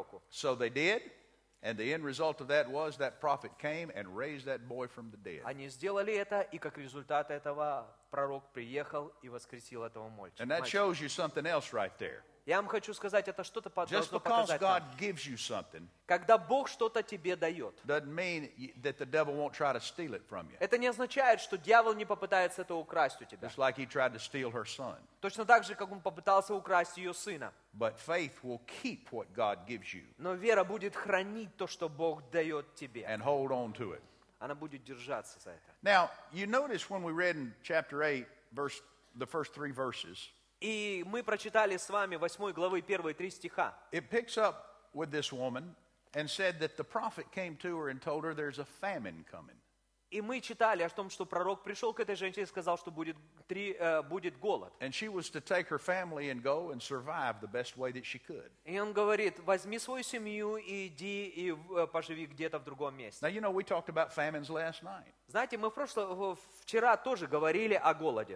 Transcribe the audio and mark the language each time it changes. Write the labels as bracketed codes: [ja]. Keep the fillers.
[en] So they did. And the end result of that was that prophet came and raised that boy from the dead. [ru] пророк приехал и воскресил этого мальчика. [en] And that shows you something else right there. [ru] Я вам хочу сказать, это что-то [en] Just because [ru] когда Бог что-то тебе дает, это не означает, что дьявол не попытается это украсть у тебя. Точно так же, как он попытался украсть ее сына. Но вера будет хранить то, что Бог дает тебе. And Она будет держаться за это. [en] Now, you notice when we read in chapter 8, verse, the first three verses. [ru] И мы прочитали с вами 8 главы, первые три стиха. [en] It picks up with this woman and said that the prophet came to her and told her there's a famine coming. [ru] И мы читали о том, что пророк пришел к этой женщине и сказал, что будет, три, э, uh, будет голод. И он говорит, возьми свою семью и иди и поживи где-то в другом месте. [en] Now, you know, [ru] Знаете, мы прошло, вчера тоже говорили о голоде.